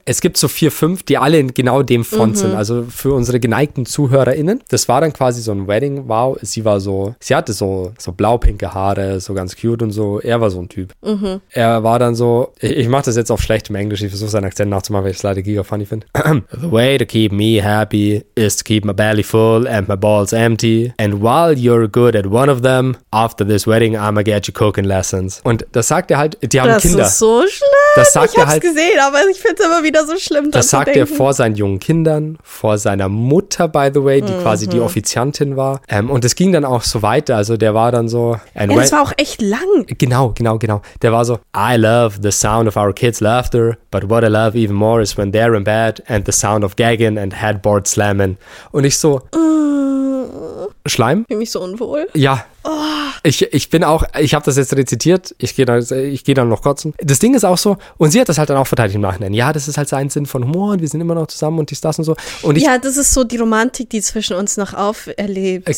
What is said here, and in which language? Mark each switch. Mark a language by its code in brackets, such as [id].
[de] Es gibt so 4, 5, die alle in genau dem Font sind. Also für unsere geneigten ZuhörerInnen. Das war dann quasi so ein Wedding. Wow, sie war so, sie hatte so blau-pinke Haare, so ganz cute und so. Er war so ein Typ. Mhm. Er war dann so, ich mache das jetzt auf schlechtem Englisch. Ich versuche seinen Akzent nachzumachen, weil ich es leider giga funny finde. [en] The way to keep me happy is to keep my belly full and my balls empty. And while you're good at one of them, after this wedding, I'ma get you cooking lessons. [de] Und das sagt er halt, die haben das Kinder. So schlimm. Das sagt ich hab's er halt, gesehen, aber ich find's immer wieder so schlimm. Das sagt er vor seinen jungen Kindern, vor seiner Mutter, [en] by the way, [de] die quasi die Offiziantin war. Und es ging dann auch so weiter. Also der war dann so. Und das war auch echt lang. Genau. [en] Der war so, I love the sound of our kids' laughter, but what I love even more is when they're in bed and the sound of gagging and headboard slamming. [de] Und ich so. Schleim? Fühl mich so unwohl. Ja. Ich habe das jetzt rezitiert, ich geh dann noch kotzen. Das Ding ist auch so, und sie hat das halt dann auch verteidigt im Nachhinein. Ja, das ist halt sein Sinn von Humor und wir sind immer noch zusammen und dies, das und so. Und ja, das ist so die Romantik, die zwischen uns noch auferlebt.